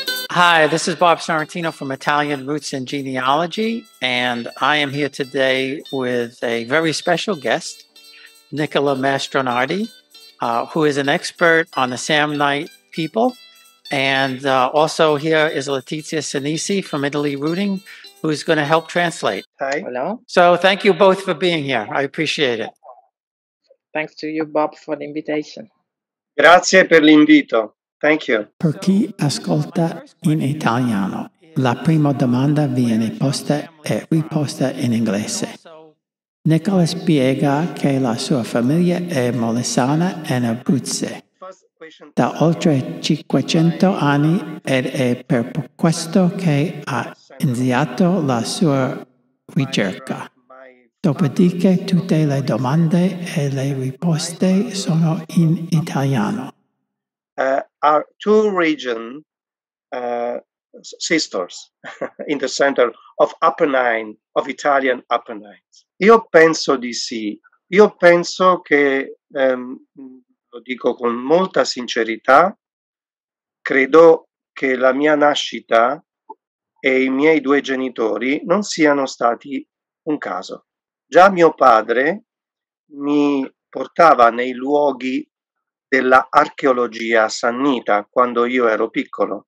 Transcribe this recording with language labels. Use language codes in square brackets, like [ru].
[en] Hi, this is Bob Sorrentino from Italian Roots and Genealogy, and I am here today with a very special guest, Nicola Mastronardi, who is an expert on the Samnite people. And also here is Letizia Sinisi from Italy Rooting, who's going to help translate. Hi. Hello. So thank you both for being here. I appreciate it. Thanks to you, Bob, for the invitation. [it] Grazie per l'invito. [en] Thank you. [it] Per chi ascolta in italiano, la prima domanda viene posta e riposta in inglese. Nicola spiega che la sua famiglia è molisana e abruzze da oltre 500 anni ed è per questo che ha iniziato la sua ricerca. Dopodiché tutte le domande e le risposte sono in italiano. [en] Are two region sisters in the center of Apennine, of Italian Apennines. [it] Io penso di sì. Io penso che, lo dico con molta sincerità, credo che la mia nascita e i miei due genitori non siano stati un caso. Già mio padre mi portava nei luoghi della archeologia sannita quando io ero piccolo.